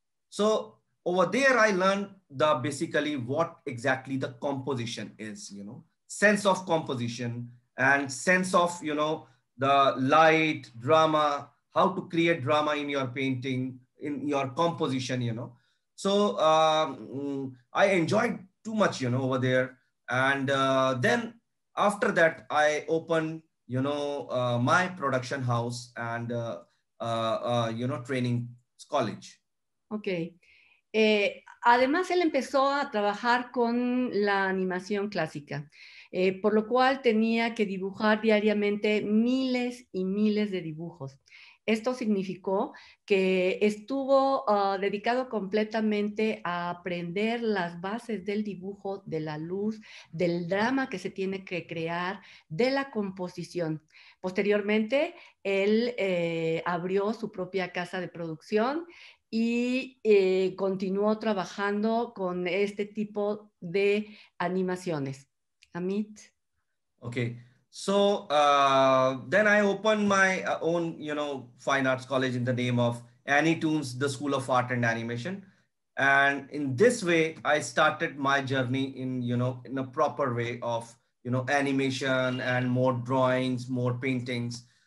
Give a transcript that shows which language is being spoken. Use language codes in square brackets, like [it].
[en] So over there I learned the basically what exactly the composition is, you know, sense of composition and sense of, you know, the light, drama, how to create drama in your painting, in your composition, you know. So I enjoyed too much, you know, over there. And then after that, I opened, you know, my production house and, you know, training college. Okay. [es] Además, él empezó a trabajar con la animación clásica, por lo cual tenía que dibujar diariamente miles y miles de dibujos. Esto significó que estuvo dedicado completamente a aprender las bases del dibujo, de la luz, del drama que se tiene que crear, de la composición. Posteriormente, él abrió su propia casa de producción y continuó trabajando con este tipo de animaciones. Amit. [en] Okay, so then I opened my own, you know, fine arts college in the name of Annie Toons, the School of Art and Animation. And in this way, I started my journey in, you know, in a proper way of, you know, animation and more drawings, more paintings.